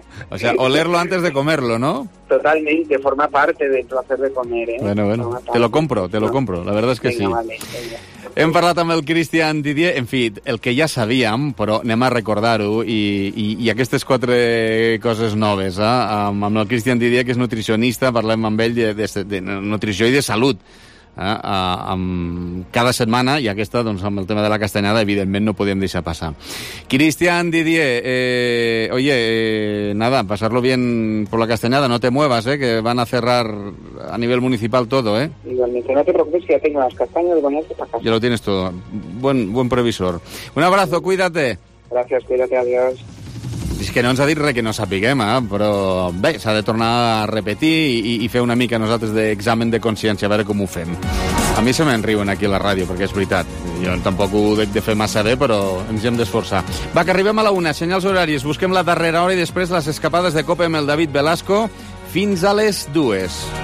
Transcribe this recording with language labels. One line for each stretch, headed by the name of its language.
Spanish: O sea, olerlo antes de comerlo, ¿no? Totalmente, forma parte del placer de comer, ¿eh? Bueno, bueno, te lo compro, la verdad es que venga, sí. Vale, venga.
Catalan: Hem parlat amb el Christian Didier, en fi, el que ja sabíem, però anem a recordar-ho, i aquestes quatre coses noves, eh? Amb el Christian Didier, que és nutricionista, parlem amb ell de nutrició i de salut. Cada setmana, i aquesta doncs, amb el tema de la castanyada, evidentment no podíem deixar passar.
Spanish: Christian Didier, oye, nada, pasarlo bien por la castanyada, no te muevas, que van a cerrar a nivel municipal todo, Igualmente, no te preocupes, que ya tengo las castañas, voy a ir para casa. Ya lo tienes todo, buen previsor. Un abrazo, cuídate. Gracias, cuídate, adiós.
Catalan: És que no ens ha dit res que no sapiguem, però bé, s'ha de tornar a repetir i fer una mica nosaltres d'examen de consciència, a veure com ho fem. A mi se m'enriuen aquí a la ràdio, perquè és veritat. Jo tampoc ho dec de fer massa bé, però ens hem d'esforçar. Va, que arribem a la una, senyals horaris, busquem la darrera hora i després les escapades de Cope amb el David Velasco fins a les dues.